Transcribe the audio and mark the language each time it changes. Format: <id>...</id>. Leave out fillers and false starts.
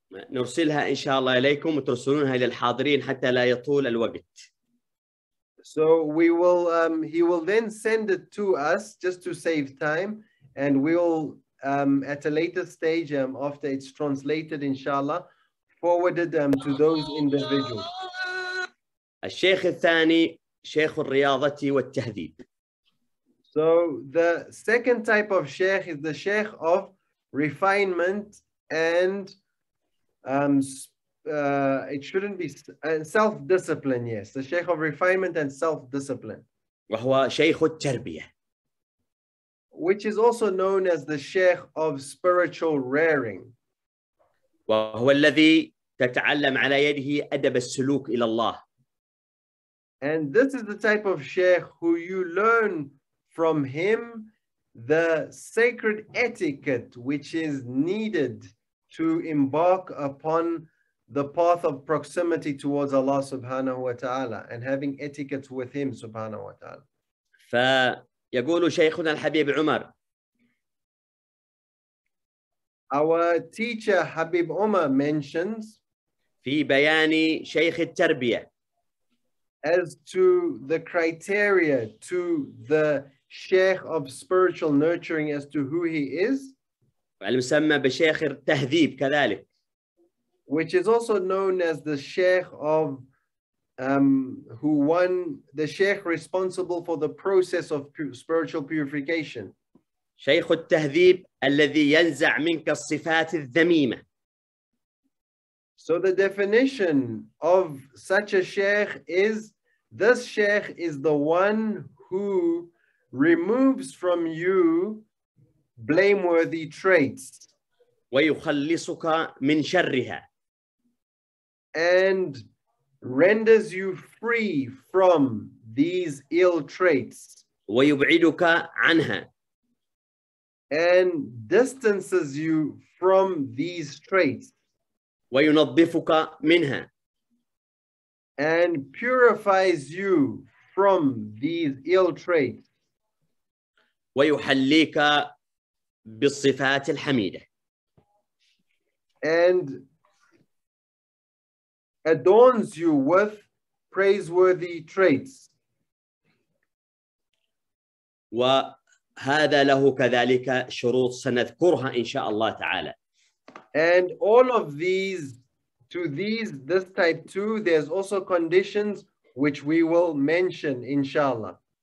<ar>نرسلها إن شاء الله إليكم وترسلونها للحاضرين حتى لا يطول الوقت.</ar> <en>So we will, he will then send it to us just to save time. And we'll, at a later stage, after it's translated, inshallah, forwarded them to those individuals.</en> <ar>الشيخ الثاني شيخ الرياضة والتهذيب.</ar> <en>So the second type of sheikh is the sheikh of refinement and it shouldn't be self-discipline. Yes, the sheikh of refinement and self-discipline.</en> <ar>وهو شيخ التربية.</ar> <en>Which is also known as the sheikh of spiritual rearing.</en> <ar>وهو الذي تتعلم على يده أدب السلوك إلى الله.</ar> <en>And this is the type of sheikh who you learn from him the sacred etiquette which is needed to embark upon the path of proximity towards Allah subhanahu wa ta'ala and having etiquette with him subhanahu wa ta'ala.</en> <ar>يقول شيخنا الحبيب عمر.</ar> <en>Our teacher Habib Umar mentions</en> <ar>في بيان شيخ التربية</ar> <en>as to the criteria to the sheikh of spiritual nurturing as to who he is.</en> <ar>المسمى بشيخ التهذيب كذلك.</ar> <en>Which is also known as the sheikh of who won the sheikh responsible for the process of spiritual purification.</en> <ar>شيخ التهذيب الذي ينزع منك الصفات الذميمة.</ar> <en>So the definition of such a sheikh is this sheikh is the one who removes from you blameworthy traits.</en> <ar>ويخلصك من شرها.</ar> <en>And renders you free from these ill traits.</en> <ar>ويبعدك عنها.</ar> <en>And distances you from these traits.</en> <ar>وينظفك منها.</ar> <en>And purifies you from these ill traits.</en> <ar>ويحليك بالصفات الحميدة.</ar> <en>And adorns you with praiseworthy traits.</en> <ar>وهذا له كذلك شروط سنذكرها إن شاء الله تعالى.</ar> <en>And all of these, to these, this type two, there's also conditions which we will mention</en> <ar>إن شاء الله.</ar>